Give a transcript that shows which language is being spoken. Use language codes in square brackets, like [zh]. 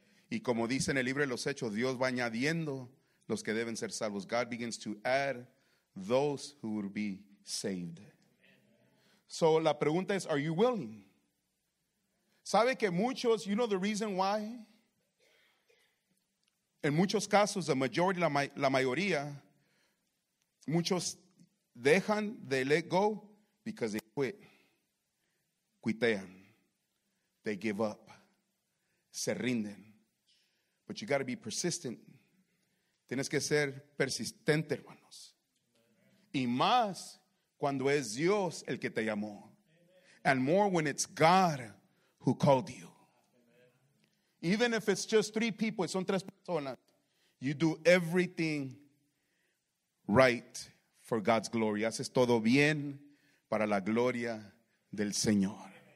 [es] Y como dice en el libro de los Hechos, Dios va añadiendo los que deben ser salvos. [en] God begins to add those who will be saved. So [es] la pregunta es, [en] are you willing? [es] Sabe que muchos, [en] you know the reason why? [es] En muchos casos, [en] the majority, [es] la mayoría, muchos dejan, [en] they let go because they quit. [es] Quitean. [en] They give up. [es] Se rinden. [en] But you got to be persistent. [es] Tienes que ser persistente, hermanos. Y más cuando es Dios el que te llamó. [en] And more when it's God who called you. Even if it's just three people, [es] son tres personas, [en] you do everything right for God's glory. [es] Haces todo bien para la gloria del Señor.